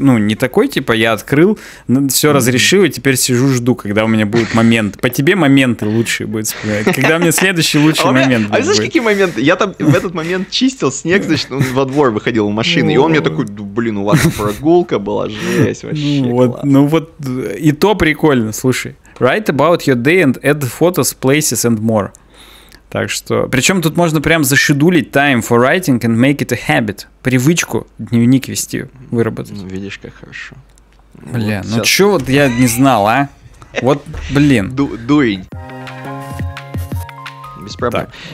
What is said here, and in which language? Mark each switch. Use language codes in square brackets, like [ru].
[ru] Ну, не такой, типа, я открыл, все разрешил, и теперь сижу, жду, когда у меня будет момент. По тебе моменты лучшие будут вспоминать. Когда у меня следующий лучший момент будет. А знаешь, какие моменты? Я там в этот момент чистил снег, значит, он во двор выходил в машину, и он мне такой, блин, у вас прогулка была, жесть, вообще. Ну вот, и то прикольно, слушай. [en] Write about your day and add photos, places and more. [ru] Так что, причем тут можно прям зашедулить [en] time for writing and make it a habit, [ru] привычку дневник вести, выработать. Ну, видишь, как хорошо. Бля, вот ну сейчас... чё вот я не знал, а? Вот, блин. Без проблем.